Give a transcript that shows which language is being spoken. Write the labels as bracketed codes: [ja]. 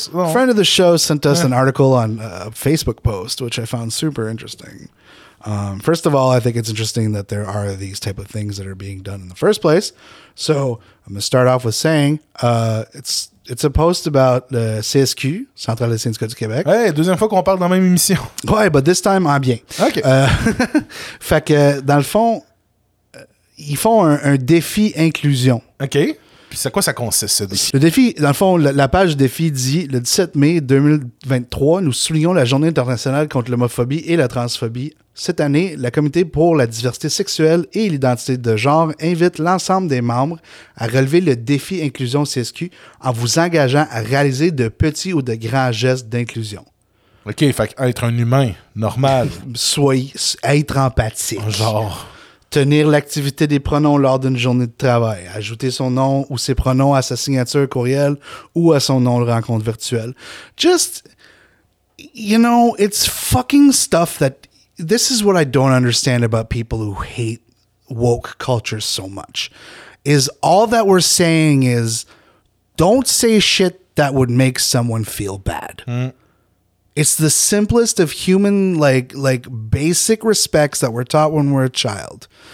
[en] Friend of the show sent us an article on a Facebook post, which I found super interesting. First of all, I think it's interesting that there are these type of things that are being done in the first place. So I'm going to start off with saying it's a post about the CSQ, Centrale des syndicats du Québec. [fr] Hey, deuxième fois qu'on parle dans la même émission. Ouais, [en] but this time, [fr] en bien. [en] OK. [fr] fait que, dans le fond, ils font un défi inclusion. OK. Puis c'est quoi ça consiste, ce défi? Le défi, dans le fond, la page défi dit « Le 17 mai 2023, nous soulignons la Journée internationale contre l'homophobie et la transphobie. Cette année, la Comité pour la diversité sexuelle et l'identité de genre invite l'ensemble des membres à relever le défi inclusion CSQ en vous engageant à réaliser de petits ou de grands gestes d'inclusion. » OK, fait être un humain normal. Soyez, être empathique. Genre... Tenir l'activité des pronoms lors d'une journée de travail. Ajouter son nom ou ses pronoms à sa signature courriel ou à son nom de rencontre virtuelle. [en] Just, you know, it's fucking stuff that... This is what I don't understand about people who hate woke culture so much. Is all that we're saying is, don't say shit that would make someone feel bad. Mm. It's the simplest of human, like basic respects that we're taught when we're a child.